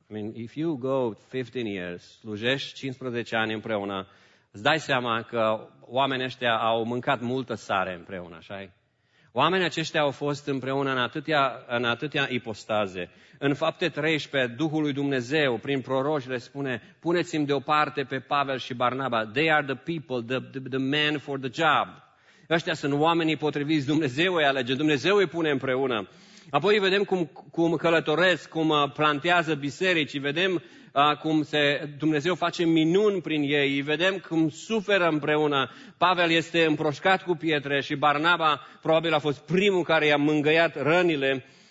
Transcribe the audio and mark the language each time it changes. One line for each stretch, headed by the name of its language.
English: I mean, if you go 15 years,
Romanian: slujești 15 ani împreună, îți dai seama că oamenii ăștia au mâncat multă sare împreună, așa-i? Oamenii aceștia au fost împreună în atâtea ipostaze. În Fapte 13, Duhul lui Dumnezeu, prin proroci, le spune, puneți-mi deoparte pe Pavel și Barnaba.
English: They are the people, the men for the job.
Romanian: Ăștia sunt oamenii potriviți, Dumnezeu îi alege, Dumnezeu îi pune împreună. Apoi vedem cum călătoresc, cum plantează biserici, vedem cum Dumnezeu face minuni prin ei, vedem cum suferă împreună. Pavel este împroșcat cu pietre și Barnaba probabil a fost primul care i-a mângâiat rănile.